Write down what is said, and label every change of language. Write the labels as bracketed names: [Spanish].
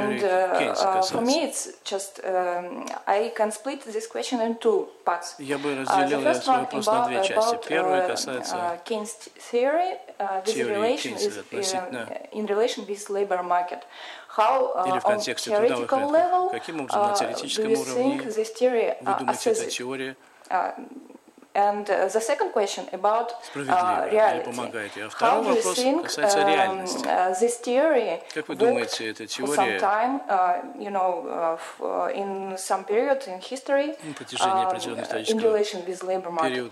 [English] and for me it's just I can split this question in two parts. [Russian] Я бы разделил этот вопрос на две части. Первая касается [English] Keynes theory, this relation is in relation with labor market. How on theoretical level, [Russian] каким образом на теоретическом уровне вы думаете, эта теория? [English] And the second question about reality. How do you think this theory worked for some time, in some period in history, in relation with labor market?